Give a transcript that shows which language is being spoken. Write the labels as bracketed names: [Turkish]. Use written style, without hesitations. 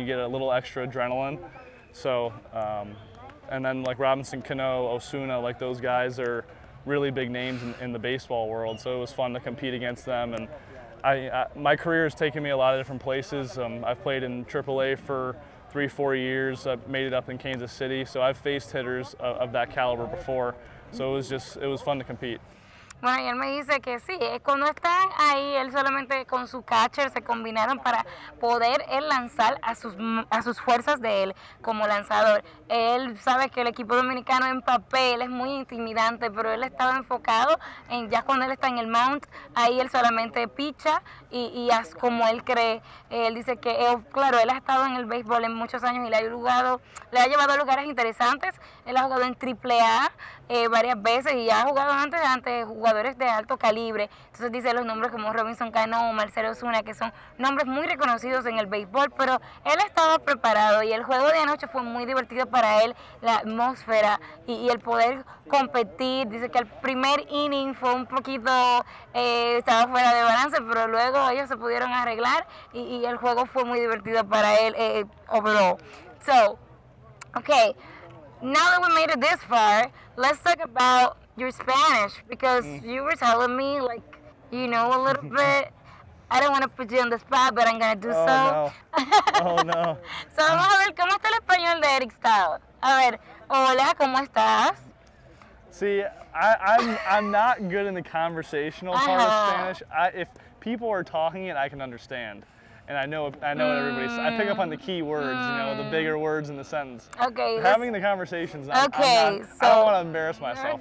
[English] You get a little extra adrenaline. So, and then like Robinson Cano, Osuna, like those guys are really big names in the baseball world. So it was fun to compete against them. And I my career has taken me a lot of different places. I've played in AAA for 3-4 years. I've made it up in Kansas City. So I've faced hitters of that caliber before. So it was fun to compete. [Spanish] Bueno, y él me dice que sí, cuando están ahí, él solamente con su catcher se combinaron para poder él lanzar a sus fuerzas de él como lanzador. Él sabe que el equipo dominicano en papel es muy intimidante, pero él estaba enfocado en ya cuando él está en el mound, ahí él solamente picha y hace como él cree. Él dice que, claro, él ha estado en el béisbol en muchos años y le ha llevado a lugares interesantes. Él ha jugado en Triple A varias veces y ya ha jugado antes jugadores de alto calibre. Entonces dice los nombres como Robinson Cano o Marcelo Osuna, que son nombres muy reconocidos en el béisbol, pero él estaba preparado y el juego de anoche fue muy divertido para él, la atmósfera y el poder competir. Dice que el primer inning fue un poquito, estaba fuera de balance, pero luego ellos se pudieron arreglar y el juego fue muy divertido para él overall. [English] So, okay, now that we made it this far, let's talk about your Spanish, because you were telling me, like, you know a little bit. I don't want to put you on the spot, but I'm going to do so. Oh, no. [Spanish] So, vamos a ver, ¿cómo está el español de Eric Stout? A ver, hola, ¿cómo estás? [English] See, I'm not good in the conversational part of Spanish. If people are talking it, I can understand. And I know what everybody says. I pick up on the key words, you know, the bigger words in the sentence. Okay. Having the conversations, I don't want to embarrass myself.